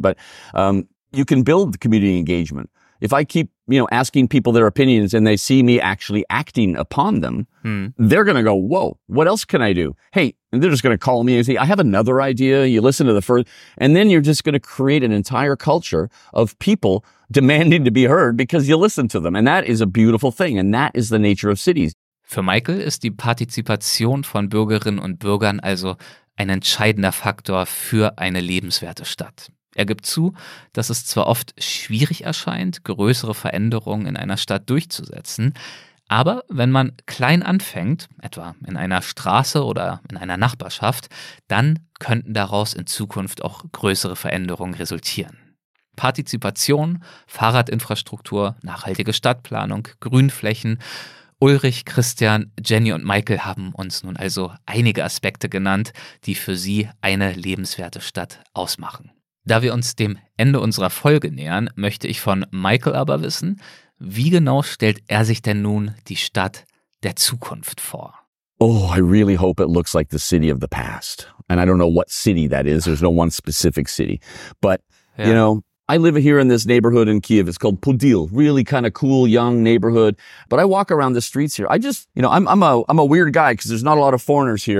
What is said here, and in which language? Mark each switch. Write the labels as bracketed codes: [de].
[en] But you can build community engagement. If I keep, you know, asking people their opinions and they see me actually acting upon them, they're going to go, whoa, what else can I do? Hey, and they're just going to call me and say, I have another idea. You listen to the first. And then you're just going to create an entire culture of people demanding to be heard because you listen to them. And that is a beautiful thing. And that is the nature of cities. [de] Für Michael ist die Partizipation von Bürgerinnen und Bürgern also ein entscheidender Faktor für eine lebenswerte Stadt. Er gibt zu, dass es zwar oft schwierig erscheint, größere Veränderungen in einer Stadt durchzusetzen, aber wenn man klein anfängt, etwa in einer Straße oder in einer Nachbarschaft, dann könnten daraus in Zukunft auch größere Veränderungen resultieren. Partizipation, Fahrradinfrastruktur, nachhaltige Stadtplanung, Grünflächen. Ulrich, Christian, Jenny und Michael haben uns nun also einige Aspekte genannt, die für sie eine lebenswerte Stadt ausmachen. Da wir uns dem Ende unserer Folge nähern, möchte ich von Michael aber wissen, wie genau stellt er sich denn nun die Stadt der Zukunft vor? [en] Oh, I really hope it looks like the city of the past. And I don't know what city that is. There's no one specific city. But, you know, I live here in this neighborhood in Kiev. It's called Podil. Really kind of cool, young neighborhood. But I walk around the streets here. I just, you know, I'm a weird guy because there's not a lot of foreigners here.